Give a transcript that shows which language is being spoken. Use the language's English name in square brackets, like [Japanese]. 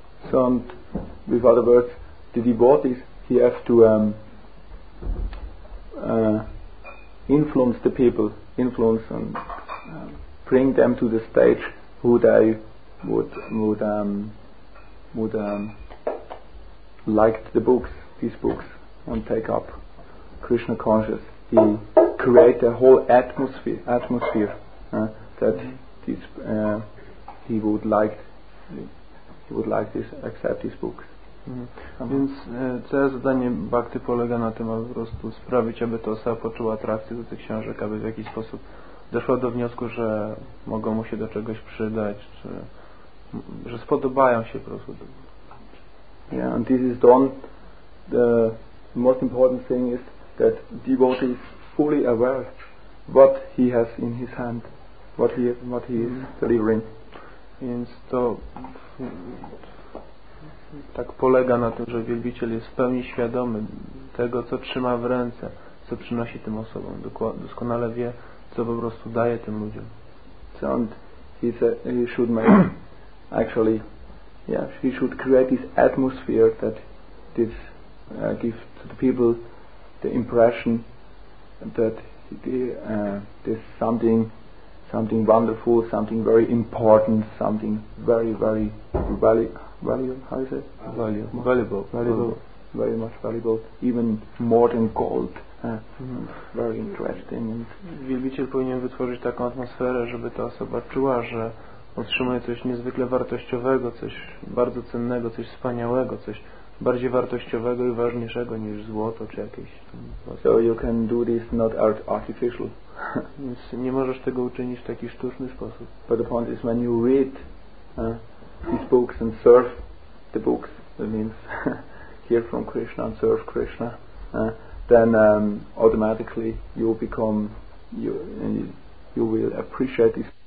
[English] So, and with other words, the devotees, he have to influence the people, influence and bring them to the stage who they would like the books, these books, and take up Krishna consciousness. He create a whole atmosphere that this he would like this, accept these books. [Polish] Więc całe zadanie bhakti polega na tym, aby po prostu sprawić, aby ta osoba poczuła atrakcję do tych książek, aby w jakiś sposób doszła do wniosku, że mogą mu się do czegoś przydać, czy że spodobają się po prostu. [English] Yeah, and this is done. The most important thing is that devotee is fully aware what he has in his hand, what he is delivering. [Polish] Więc to tak polega na tym, że wielbiciel jest w pełni świadomy tego, co trzyma w ręce, co przynosi tym osobom. Doskonale wie, co po prostu daje tym ludziom. [English] So he should make actually, yeah, he should create this atmosphere that this give to the people the impression that this something wonderful, something very important, something very, very valuable, very much valuable, even more than gold. Very interesting. [Polish] Wielbiciel powinien wytworzyć taką atmosferę, żeby ta osoba czuła, że otrzymuje coś niezwykle wartościowego, coś bardzo cennego, coś wspaniałego, coś bardziej wartościowego i ważniejszego niż złoto czy jakieś. [English] So you can do this not artificial. [Polish] Więc nie możesz tego uczynić w taki sztuczny sposób. [English] But the point is when you read these books and serve the books, that means hear from Krishna and serve Krishna, then automatically you will become you will appreciate this.